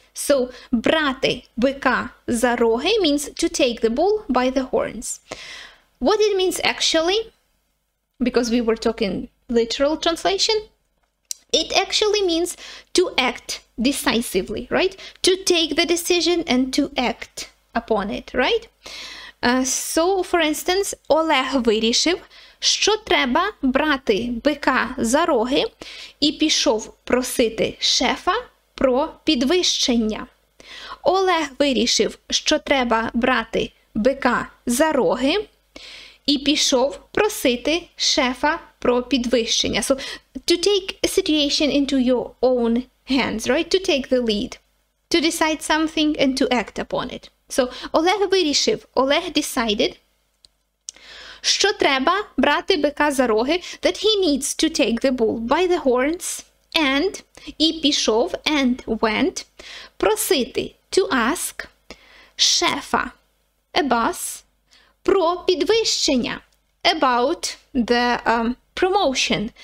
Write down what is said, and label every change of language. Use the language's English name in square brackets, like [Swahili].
[English] So, [Ukrainian] брати бика за роги [English] means to take the bull by the horns. What it means actually, because we were talking literal translation, it actually means to act decisively, right? To take the decision and to act upon it, right? So, for instance, [Ukrainian] Олег вирішив, що треба брати бика за роги і пішов просити шефа про підвищення. Олег вирішив, що треба брати бика за роги і пішов просити шефа про підвищення. [English] So, to take a situation into your own hands, right? To take the lead. To decide something and to act upon it. So, [Ukrainian] Олег вирішив, [English] Олег decided, [Ukrainian] що треба брати бика за роги, [English] that he needs to take the bull by the horns, and [Ukrainian] і пішов, [English] and went, просити, to ask, шефа, a boss, [Ukrainian] про підвищення, [English] about the promotion.